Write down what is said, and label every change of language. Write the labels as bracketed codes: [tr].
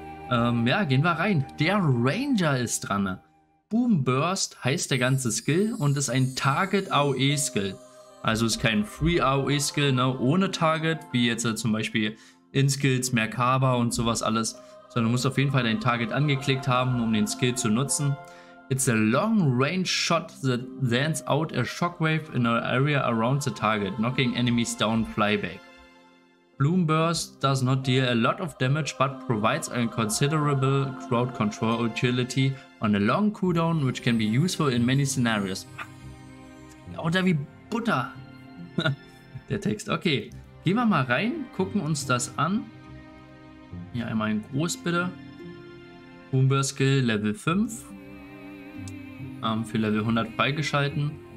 [de] Ja, gehen wir rein. Der Ranger ist dran. Boom Burst heißt der ganze Skill und ist ein Target AOE Skill. Also ist kein Free AOE Skill, ne, ohne Target, wie jetzt zum Beispiel Inskills, Merkaba und sowas alles. Sondern du musst auf jeden Fall dein Target angeklickt haben, um den Skill zu nutzen. [en] It's a long range shot that sends out a shockwave in an area around the target, knocking enemies down flyback. Bloom Burst does not deal a lot of damage, but provides a considerable crowd control utility on a long cooldown, which can be useful in many scenarios. [de] Lauter wie Butter. Der Text. Okay, gehen wir mal rein, gucken uns das an. Hier einmal in groß, bitte. Bloom Burst Skill Level 5. Für Level 100 freigeschalten.